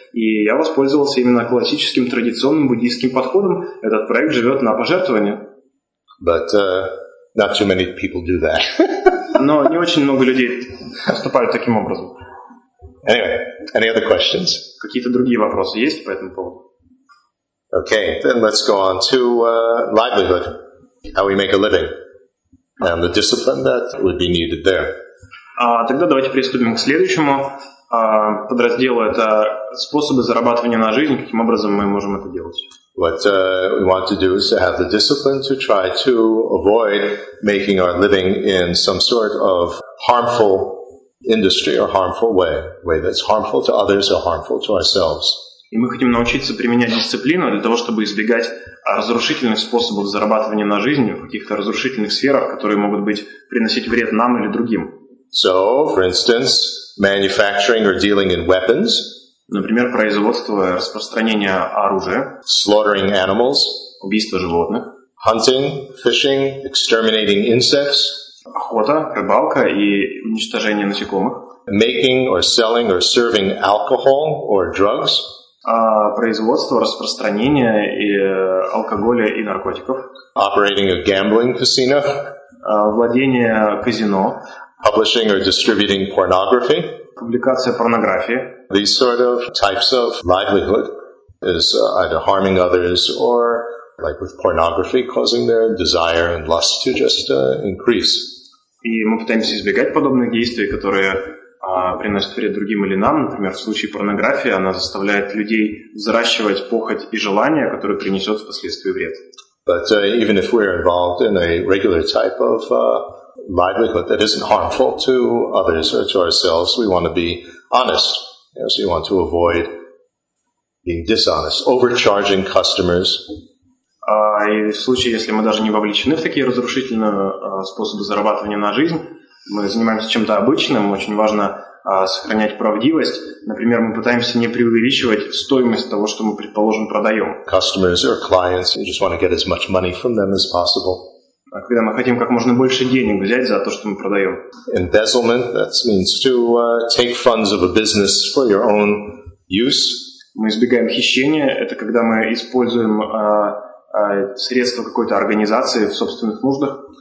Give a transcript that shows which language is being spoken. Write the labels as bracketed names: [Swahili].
[Russian] И я воспользовался именно классическим традиционным буддийским подходом. Этот проект живет на пожертвования. [English] But not too many people do that. [Russian] Но не очень много людей поступают таким образом. [English] Anyway, any other questions? [Russian] Какие-то другие вопросы есть по этому поводу? [English] Okay, then let's go on to livelihood, how we make a living, and the discipline that would be needed there. [Russian] Тогда давайте приступим к следующему подразделу. Это способы зарабатывания на жизнь, каким образом мы можем это делать. [English] What we want to do is to have the discipline to try to avoid making our living in some sort of harmful industry or harmful way, way that's harmful to others or harmful to ourselves. [Russian] И мы хотим научиться применять дисциплину для того, чтобы избегать разрушительных способов зарабатывания на жизнь в каких-то разрушительных сферах, которые могут быть приносить вред нам или другим. [English] So, for instance, manufacturing or dealing in weapons. [Russian] Например, производство и распространение оружия. [English] Slaughtering animals. [Russian] Убийство животных. [English] Hunting, fishing, exterminating insects. [Russian] Охота, рыбалка и уничтожение насекомых. [English] Making or selling or serving alcohol or drugs. [Russian] Производство, распространение и алкоголя и наркотиков. [English] Operating a gambling casino. [Russian] Владение казино. [English] Publishing or distributing pornography. [Russian] Публикация порнографии. [English] These sort of types of livelihood is either harming others or, like with pornography, causing their desire and lust to just increase. [Russian] И мы пытаемся избегать подобных действий, которые приносят вред другим или нам. Например, в случае порнографии она заставляет людей взращивать похоть и желание, которое принесет впоследствии вред. [English] But even if we're involved in a regular type of livelihood that isn't harmful to others or to ourselves, we want to be honest. So you want to avoid being dishonest, overcharging customers. [Russian] И в случае, если мы даже не вовлечены в такие разрушительные способы зарабатывания на жизнь, мы занимаемся чем-то обычным, очень важно сохранять правдивость. Например, мы пытаемся не преувеличивать стоимость того, что мы, предположим, продаем. [English] Customers or clients, you just want to get as much money from them as possible. [Russian] А когда мы хотим как можно больше денег взять за то, что мы продаем. [English] Embezzlement, that means to take funds of a business for your own use. [Russian] Мы избегаем хищения, это когда мы используем средства какой-то организации в собственных нуждах.